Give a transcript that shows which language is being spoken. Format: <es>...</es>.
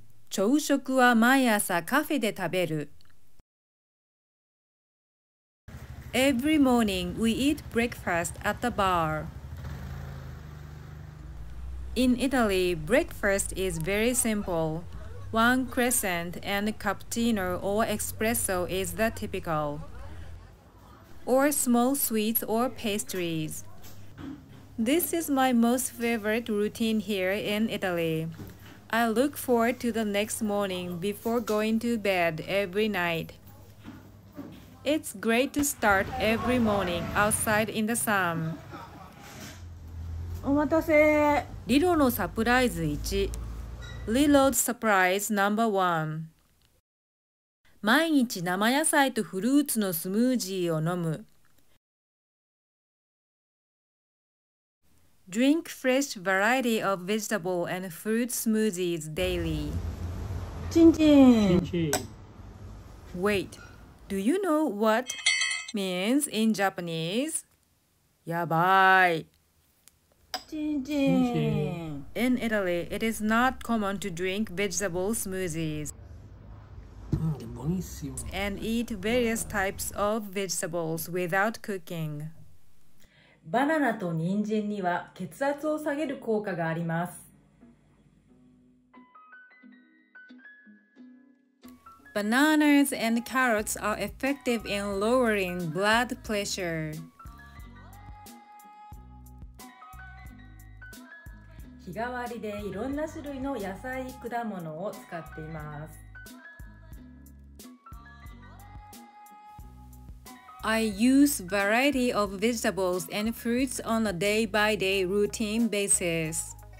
<ja>朝食は毎朝カフェで食べる。</ja> <en>Every morning we eat breakfast at the bar. In Italy, breakfast is very simple. One croissant and cappuccino or espresso is the typical. Or small sweets or pastries. This is my most favorite routine here in Italy. I look forward to the next morning before going to bed every night. It's great to start every morning outside in the sun.</en> <ja>お待たせ。リロのサプライズ1。</ja> <en>Lilo's surprise number 1。</en> <ja>毎日生野菜とフルーツのスムージーを飲む。</ja> <en>Drink fresh variety of vegetable and fruit smoothies daily.</en> <ja>チンチン。</ja> <en>Wait, do you know what means in Japanese?</en> <ja>やばい。チンチン。</ja> <en>In Italy, it is not common to drink vegetable smoothies and eat various types of vegetables without cooking.</en> <ja>バナナと人参には血圧を下げる効果があります。</ja> <en>Bananas and carrots are effective in lowering blood pressure.</en> <ja>日替わりでいろんな種類の野菜、果物を使っています。</ja> <en>I use variety of vegetables and fruits on a day-by-day routine basis.</en>